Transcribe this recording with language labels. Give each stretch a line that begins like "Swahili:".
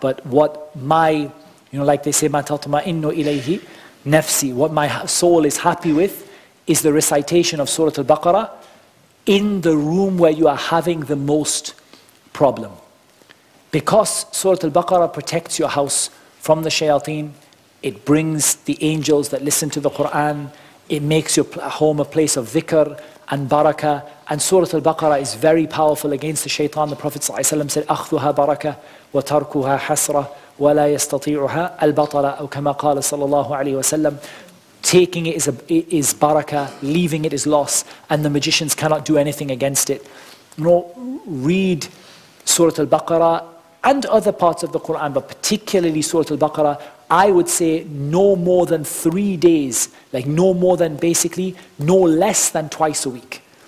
English: But what my, you know, like they say, ma tatma'innu ilayhi nafsi, what my soul is happy with is the recitation of Surah Al-Baqarah in the room where you are having the most problem. Because Surah Al-Baqarah protects your house from the shayateen, it brings the angels that listen to the Quran, it makes your home a place of dhikr and barakah. And Surah Al-Baqarah is very powerful against the shaytan. The Prophet ﷺ said,
Arabic: أَخْذُهَا بَرَكَةً وَتَرْكُهَا حَسْرَةً وَلَا يَسْتَطِيعُهَا الْبَطَلَةً أَوْ كَمَا قَالَ صَلَى اللَّهُ عَلَيْهِ وَسَلَّمْ.
English: Taking it is barakah, leaving it is loss, and the magicians cannot do anything against it. No, read Surah Al-Baqarah and other parts of the Quran, but particularly Surah Al-Baqarah, I would say no more than 3 days, like no more than basically, no less than twice a week.